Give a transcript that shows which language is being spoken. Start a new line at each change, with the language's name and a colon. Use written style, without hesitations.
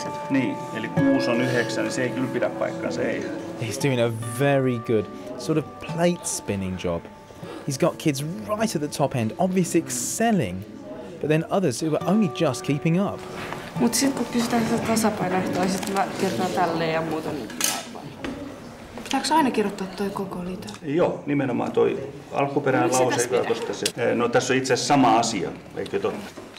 Finnish: Niin, eli 6 on 9, niin se ei kyllä pidä paikkaansa, ei.
English: He's doing a very good sort of plate spinning job. He's got kids right at the top end, obviously excelling, but then others who are only just keeping up.
Finnish: Mutta sitten kun kysytään sitä tasapainoehtoa, sitten mä kirjoitan tälleen ja muuta. Pitääkö aina kirjoittaa toi koko liite? Joo, nimenomaan toi alkuperäinen lause. No tässä on itse asiassa sama asia, eikö totta?